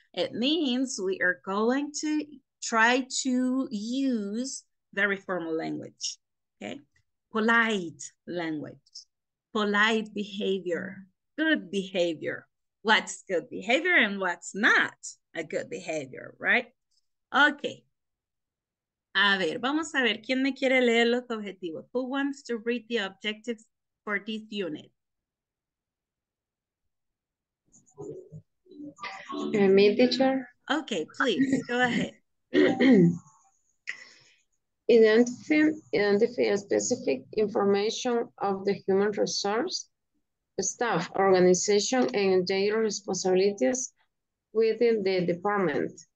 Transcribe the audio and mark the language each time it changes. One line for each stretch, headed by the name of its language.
English: It means we are going to try to use very formal language, okay? Polite language, polite behavior, good behavior. What's good behavior and what's not a good behavior, right? Okay.
Spanish: A ver, vamos a ver quién me quiere leer los objetivos.
English: Who wants to read the objectives for this unit? Me, teacher. Okay, please, go ahead. Identify specific information of the human resource, staff, organization, and their responsibilities within the department.